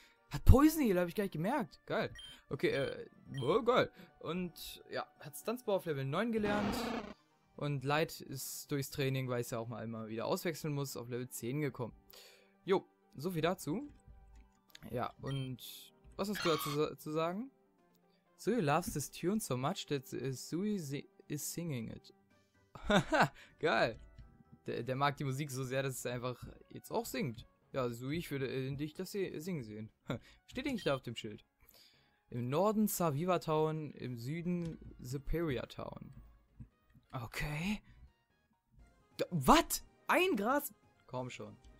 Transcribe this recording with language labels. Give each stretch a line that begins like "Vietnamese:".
German: Hat Poison Heal, habe ich gar nicht gemerkt. Geil. Okay, oh geil. Und ja, hat Stunzbau auf Level 9 gelernt. Und Light ist durchs Training, weil es ja auch mal einmal wieder auswechseln muss, auf Level 10 gekommen. Jo, so viel dazu. Ja, und was hast du dazu zu sagen?
English: Sui loves this tune so much that Sui is singing it.
German: Haha, geil. Der mag die Musik so sehr, dass es einfach jetzt auch singt. Ja, Sui, ich würde dich das singen sehen. Steht eigentlich da auf dem Schild. Im Norden Saviva Town, im Süden Superior Town. Okay. Was? Ein Gras? Komm schon.